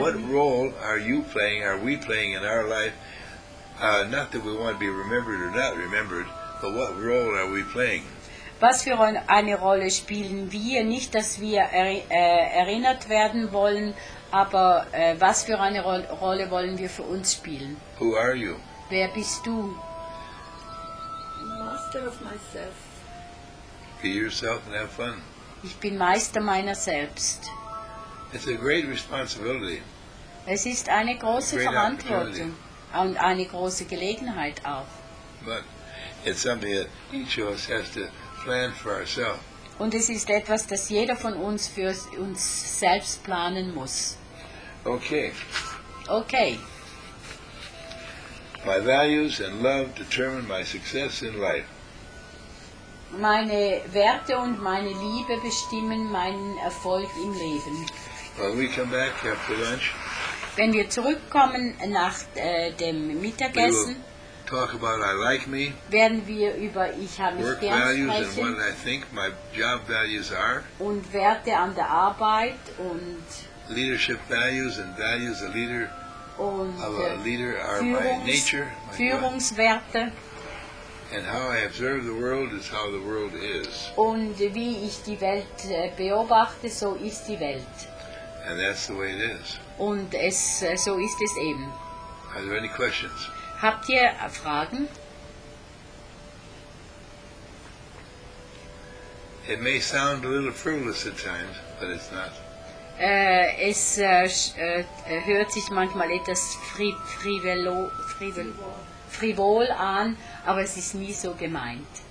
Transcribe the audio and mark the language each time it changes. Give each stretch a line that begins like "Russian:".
English: What role are you playing, are we playing in our life? Not that we want to be remembered or not remembered, but what role are we playing?
German: Was für eine Rolle spielen wir? Nicht, dass wir erinnert werden wollen, aber was für eine Rolle wollen wir für uns spielen?
English: Who are you?
German: Wer bist du?
English: Master of myself. Be yourself and have fun.
German: Ich bin Meister meiner selbst.
English: It's a great responsibility.
German: Es ist eine große Verantwortung. Und eine große Gelegenheit auch.
English: But it's something that each of us has to plan for ourselves.
German: Und es ist etwas, das jeder von uns für uns selbst planen muss.
English: Okay. Okay. My values and love determine my success in life.
German: Meine Werte und meine Liebe bestimmen meinen Erfolg im Leben.
English: When we come back after lunch.
German: Wenn wir zurückkommen nach dem Mittagessen,
English: talk about I like me,
German: werden wir über Ich habe mich gern sprechen
English: and what I think my job values are,
German: und Werte an der Arbeit und
English: leadership values and values a leader
German: und
English: of a leader are by nature, my
German: Führungswerte
English: and how I observe the world is how the world is.
German: Und wie ich die Welt beobachte, so ist die Welt.
English: And that's the way it is.
German: Und es, so ist es eben.
English: Are there any questions?
German: Habt ihr Fragen?
English: It may sound a little frivolous at times, but it's not.
German: Es hört sich manchmal etwas frivol an, aber es ist nie so gemeint.